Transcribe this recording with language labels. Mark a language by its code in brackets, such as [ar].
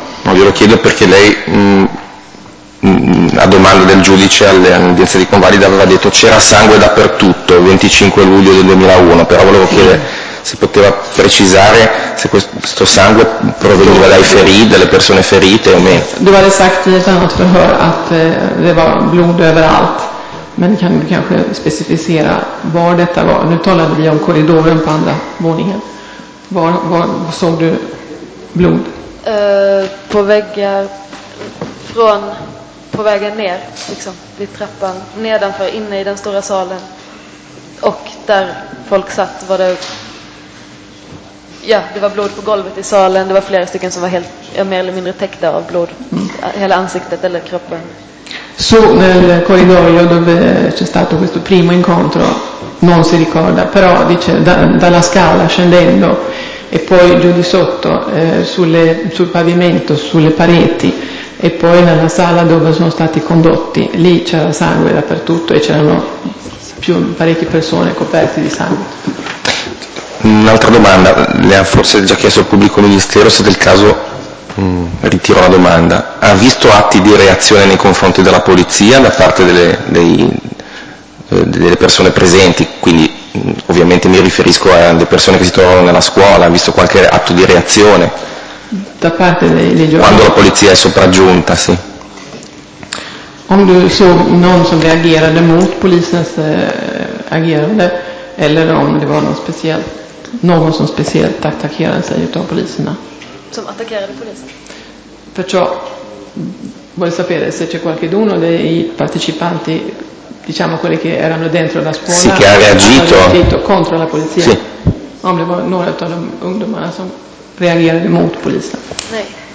[it] No, glielo chiedo perché lei a domanda del giudice alle udienze di convalida aveva detto c'era sangue dappertutto, 25 luglio del 2001, però volevo chiedere se poteva precisare se questo sangue proveniva dai feriti, dalle persone ferite o meno. [sv] Du hade sagt i ett annat förhör att det var blod överallt, men kan du kanske specificera var detta var? Nu talade vi om korridoren på andra våningen. Var såg du blod? På väggar från på vägen ner liksom vid trappan nedanför inne i den stora salen och där folk satt var det, ja, det var blod på golvet i salen, det var flera stycken som var helt mer eller mindre täckta av blod, hela ansiktet eller kroppen. [it] Så nel corridoio dove c'è stato questo primo incontro non si ricorda, però dice dalla scala scendendo e poi giù di sotto sul pavimento, sulle pareti e poi nella sala dove sono stati condotti, lì c'era sangue dappertutto e c'erano parecchie persone coperte di sangue. Un'altra domanda, le ha forse già chiesto il pubblico ministero, se del caso ritiro la domanda, ha visto atti di reazione nei confronti della polizia da parte delle persone presenti, quindi ovviamente mi riferisco alle persone che si trovano nella scuola, ha visto qualche atto di reazione da parte dei giovani quando la polizia è sopraggiunta? Sì. [sv] Om du såg någon som reagerade mot polisens agerande eller om det var någon speciell, någon som speciellt attackerade sig utav poliserna? Som attackerade polisen. [it] Perciò vuoi sapere se c'è qualcuno dei partecipanti, diciamo quelli che erano dentro la scuola, sì, che ha reagito, hanno reagito contro la polizia? Sì. [sv] Om det var några av de ungdomarna som reagerade mot polisen? Nej.